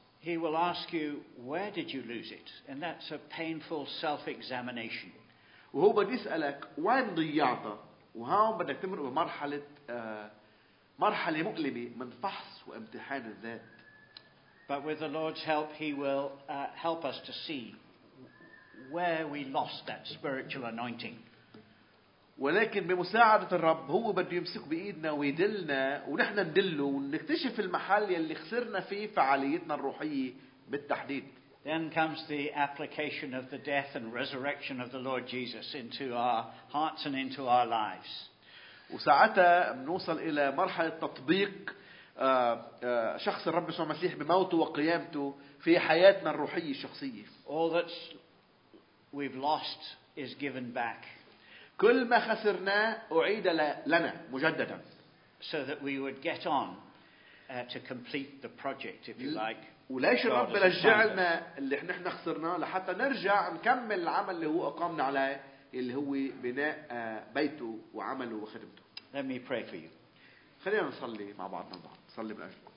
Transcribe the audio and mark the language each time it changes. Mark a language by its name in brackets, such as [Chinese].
[English] He will ask you, where did you lose it? And that's a painful self-examination. [Arabic] وهو بده يسألك وين ضيعتها وهون بدك تمر بمرحلة مرحلة مؤلمة من فحص وامتحان الذات. [English] But with the Lord's help, he will help us to see where we lost that spiritual anointing. [Arabic] ولكن بمساعدة الرب هو بده يمسك بإيدنا ويدلنا ونحن ندله ونكتشف المحل يلي خسرنا فيه فعاليتنا الروحية بالتحديد. [English] Then comes the application of the death and resurrection of the Lord Jesus into our hearts and into our lives. [Arabic] وساعتها بنوصل إلى مرحلة تطبيق شخص الرب يسوع المسيح بموته وقيامته في حياتنا الروحية الشخصية. [English] All that we've lost is given back. [Arabic] كل ما خسرناه أعيد لنا مجددا. [English] So that we would get on to complete the project, if you like. [Arabic] وليش الرب رجعنا اللي احنا خسرناه لحتى نرجع نكمل العمل اللي هو أقامنا عليه اللي هو بناء بيته وعمله وخدمته. [English] Let me pray for you. [Arabic] خلينا نصلي مع بعضنا البعض. صلي من أجلكم.